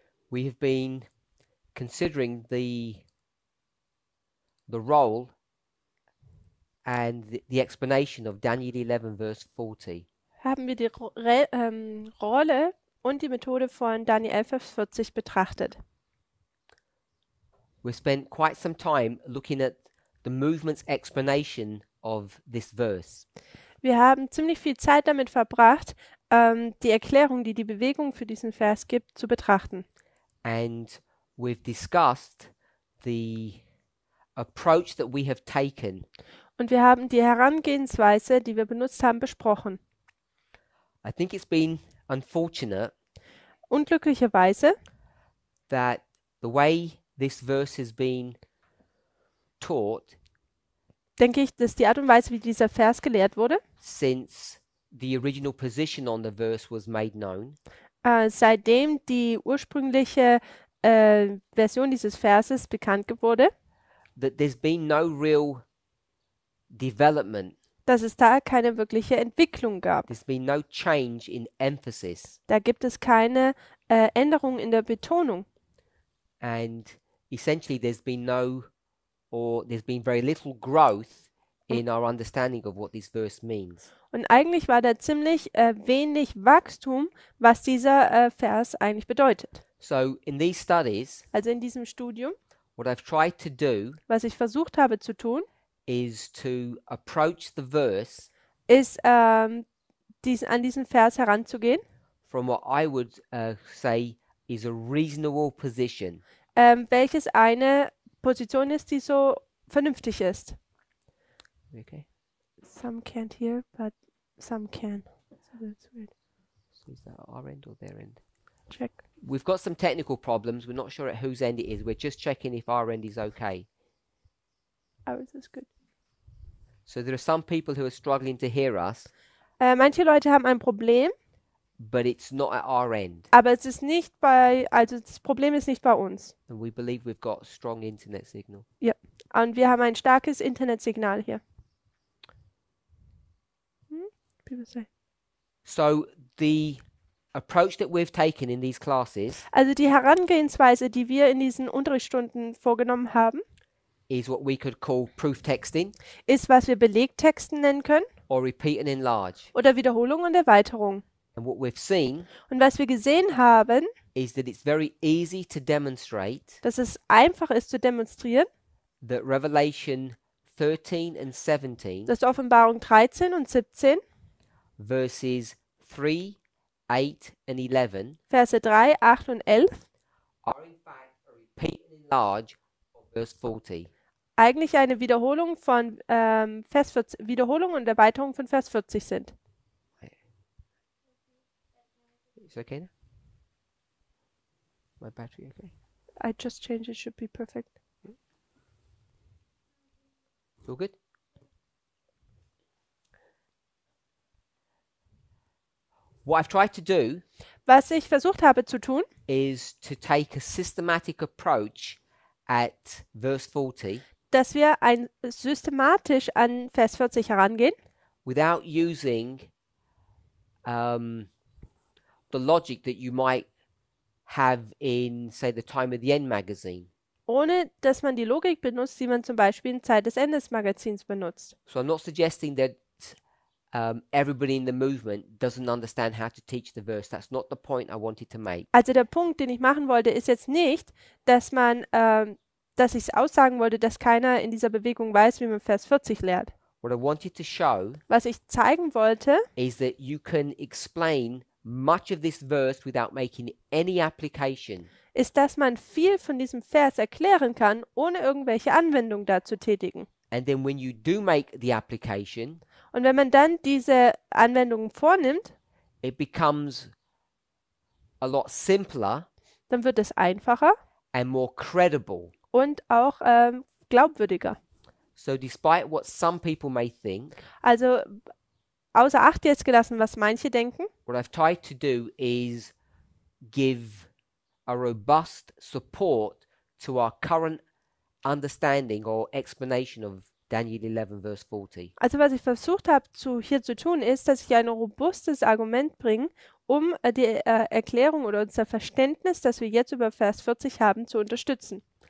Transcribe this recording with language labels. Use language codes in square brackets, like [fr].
[en] we have been considering the role and the explanation of Daniel 11, verse 40. [de] Haben wir die Re Rolle und die Methode von Daniel 11,40 betrachtet. [en] We spent quite some time looking at the movement's explanation of this verse. [de] Wir haben ziemlich viel Zeit damit verbracht, die Erklärung, die die Bewegung für diesen Vers gibt, zu betrachten. [en] And we've discussed the approach that we have taken. [de] Und wir haben die Herangehensweise, die wir benutzt haben, besprochen. [en] I think it's been unfortunate [de] Unglücklicherweise [en] that the way this verse has been taught [de] denke ich, dass die Art und Weise, wie dieser Vers gelehrt wurde, [en] since the original position on the verse was made known. [de] seitdem die ursprüngliche Version dieses Verses bekannt wurde, [en] That there's been no real development. [de] dass es da keine wirkliche Entwicklung gab. [en] There's been no change in emphasis. [de] Da gibt es keine Änderung in der Betonung. [en] And essentially, there's been no, or there's been very little growth in our understanding of what this verse means. [de] Und eigentlich war da ziemlich wenig Wachstum, was dieser Vers eigentlich bedeutet. [en] So in these studies, [de] Also in diesem Studium, [en] what I've tried to do [de] was ich versucht habe zu tun, [en] is to approach the verse [de] ist an diesen Vers heranzugehen, [en] from what I would say is a reasonable position. [de] welches eine Position ist, die so vernünftig ist. [en] Okay. Some can't hear, but some can. So that's weird. So is that our end or their end? Check. We've got some technical problems. We're not sure at whose end it is. We're just checking if our end is okay. Oh, is this good? So there are some people who are struggling to hear us, [de] Manche Leute haben ein Problem, [en] but it's not at our end. [de] aber es ist nicht bei, also das Problem ist nicht bei uns. [en] And we believe we've got a strong internet signal. [de] Ja, und wir haben ein starkes Internetsignal hier. [en] People say. So the approach that we've taken in these classes [de] Also die Herangehensweise, die wir in diesen Unterrichtsstunden vorgenommen haben, [en] is what we could call proof texting [de] ist, was wir Belegtexten nennen können [en] or repeat and enlarge. [de] oder Wiederholung und Erweiterung. [en] And what we've seen [de] Und was wir gesehen haben, [en] is that it's very easy to demonstrate [de] dass es einfach ist zu demonstrieren, [en] that Revelation 13 and 17 [de] dass Offenbarung 13 und 17 [en] verses 3, 8 and 11 [de] Verse 3, 8 und 11 [en] are in fact a repeat and enlarge of verse 40. [de] eigentlich eine Wiederholung von Vers 40, Wiederholung und Erweiterung von Vers 40 sind. [en] It's okay now? My battery okay? I just changed, it should be perfect. All good? What I've tried to do [de] Was ich versucht habe zu tun, [en] is to take a systematic approach at verse 40 [de] dass wir ein systematisch an Vers 40 herangehen, [en] without using the logic that you might have in, say, the Time of the End magazine. [de] ohne dass man die Logik benutzt, die man zum Beispiel in Zeit des Endes Magazins benutzt. [en] So I'm not suggesting that everybody in the movement doesn't understand how to teach the verse. That's not the point I wanted to make. [de] Also der Punkt, den ich machen wollte, ist jetzt nicht, dass man, dass ich es aussagen wollte, dass keiner in dieser Bewegung weiß, wie man Vers 40 lehrt. [en] What I wanted to show [de] Was ich zeigen wollte, [en] is that you can explain much of this verse without making any application. [de] ist, dass man viel von diesem Vers erklären kann, ohne irgendwelche Anwendungen dazu tätigen. [en] And then when you do make the application, [de] Und wenn man dann diese Anwendungen vornimmt, [en] it becomes a lot simpler [de] dann wird es einfacher [en] and more credible. [de] und auch glaubwürdiger. [en] So despite what some people may think, [de] Also außer Acht jetzt gelassen, was manche denken. [en] What I've tried to do is give a robust support to our current understanding or explanation of Daniel 11 verse 40. [de] Also was ich versucht habe hier zu tun ist, dass ich ein robustes Argument bringe, um die Erklärung oder unser Verständnis, das wir jetzt über Vers 40 haben, zu unterstützen.